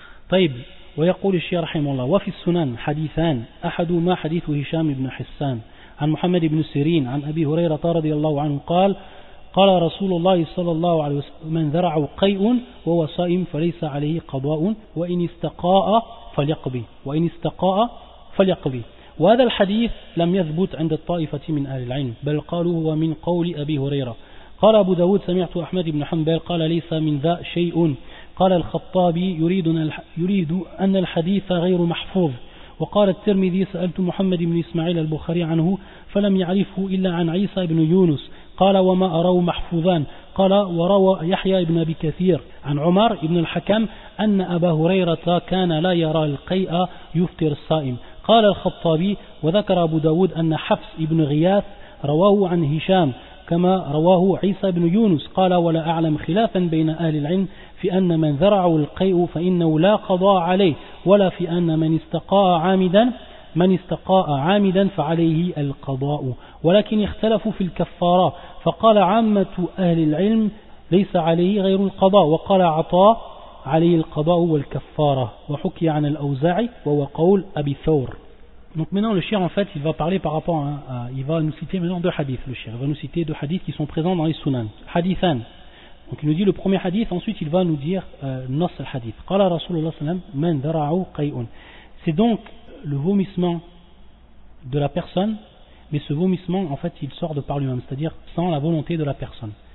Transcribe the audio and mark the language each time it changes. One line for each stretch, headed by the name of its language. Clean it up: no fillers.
Arabic: Taïb, wa yaqul al-shaykh rahimahullah wa fi sunan hadithan ahadu ma hadith Hisham ibn Hassan an Muhammad ibn Sirin an Abi Hurayra radiyallahu anhu qala قال رسول الله صلى الله عليه وسلم من زرع قيء وهو صائم فليس عليه قضاء وإن استقاء فليقضي وإن استقاء فليقضي. وهذا الحديث لم يثبت عند الطائفة من أهل العلم بل قالوا هو من قول أبي هريرة. قال أبو داود سمعت أحمد بن حنبل قال ليس من ذا شيء. قال الخطابي يريد أن الحديث غير محفوظ. وقال الترمذي سألت محمد بن إسماعيل البخاري عنه فلم يعرفه إلا عن عيسى بن يونس قال وما أروا محفوظان. قال وروى يحيى بن أبي كثير عن عمر بن الحكم أن أبا هريرة كان لا يرى القيء يفطر الصائم. قال الخطابي وذكر أبو داود أن حفص بن غياث رواه عن هشام كما رواه عيسى بن يونس. قال ولا أعلم خلافا بين أهل العلم في أن من زرع القيء فإنه لا قضاء عليه ولا في أن من استقاء عامدا فعليه القضاء ولكن اختلفوا في الكفارة فقال عامة أهل العلم ليس عليه غير القضاء وقال عطاء عليه القضاء والكفارة وحكي عن الأوزاعي وهو قول أبي ثور.
French: Donc maintenant le shir, en fait, il va parler par rapport à il va nous citer maintenant deux hadiths, le shir. Il va nous citer deux hadiths qui sont présents dans les sunan. Hadithan. Donc il nous dit le premier hadith, ensuite il va nous dire nas al-hadith.
Arabic: Qala Rasulullah sallam man dara'u qay'un.
French: C'est donc le vomissement de la personne, mais ce vomissement, en fait, il sort de par lui-même, c'est-à-dire sans la volonté de la personne.